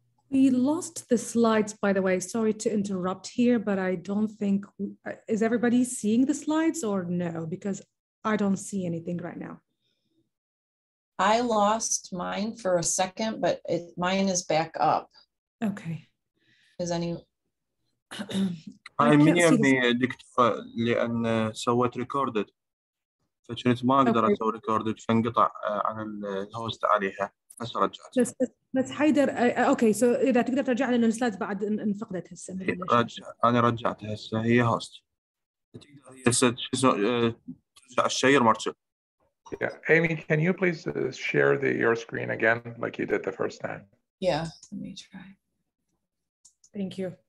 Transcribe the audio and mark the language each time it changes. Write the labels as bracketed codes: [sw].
[en] We lost the slides, by the way. Sorry to interrupt here, but I don't think, is everybody seeing the slides or no? Because I don't see anything right now. I lost mine for a second, but mine is back up. Okay. Is any... [ar] I mean, the دكتور لأن سويت ريكوردد فشلت ما أقدر أسوي ريكوردد فانقطع عن الهوست عليها بس رجعت بس حيدر أوكي سو إذا تقدر ترجع لأن السلايد بعد انفقدت هسه رجع أنا رجعت هسه هي هوست ترجع الشير مارشل [en] Yeah, Amy, can you please share your screen again like you did the first time? Yeah, let me try. Thank you.